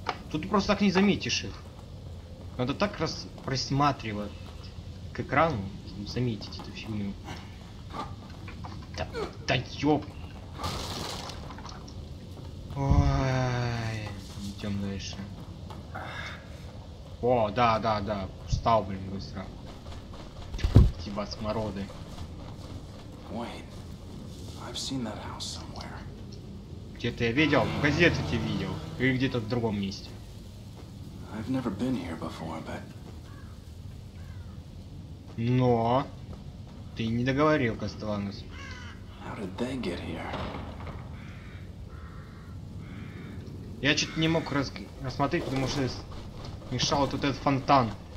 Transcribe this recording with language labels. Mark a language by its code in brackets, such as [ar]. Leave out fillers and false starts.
[ru] Тут просто так не заметишь их. Надо так раз просматривать к экрану, чтобы заметить эту фигню. Да ёб! Ой, идем дальше. О, да-да-да, встал, блин, быстро. Эти вас мороды. [en] Уэйн, I've seen that house somewhere. [ru] Где-то я видел, в газете тебя видел, или где-то в другом месте. [en] I've never been here before, but... [ru] Но ты не договорил, Кастеланос. [en] How did they get here? [ru] Я что-то не мог рассмотреть, потому что мешал вот этот фонтан.